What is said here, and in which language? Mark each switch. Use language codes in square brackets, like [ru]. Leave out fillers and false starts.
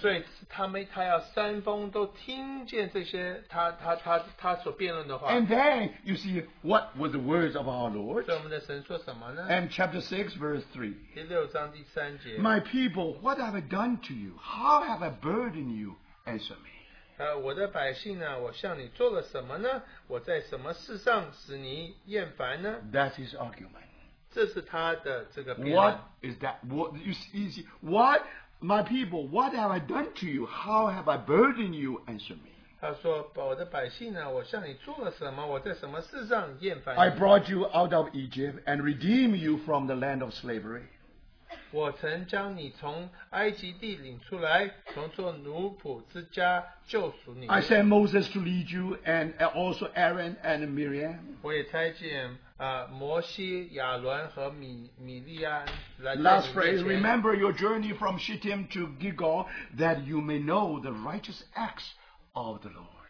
[en] And then you see what were the words of our Lord. And chapter 6, verse 3. My people, what have I done to you? How have I burdened you? Answer me. [zh] 我的百姓啊, 我向你做了什么呢?我在什么事上使你厌烦呢? [en] That is argument. [zh] 这是他的这个辩论。 [en] What is that? What? My people, what have I done to you? How have I burdened you? Answer me. [zh] 他说, 我的百姓啊, 我向你做了什么? 我在什么事上厌烦你? [en] I brought you out of Egypt and redeemed you from the land of slavery. [zh] 我曾将你从埃及地领出来, 从做奴仆之家救赎你。 [en] I sent Moses to lead you and also Aaron and Miriam. [zh] 我也差遣, 摩西亚伦和米利安, [en] last phrase, remember your journey from Shittim to Gilgal that you may know the righteous acts of the Lord.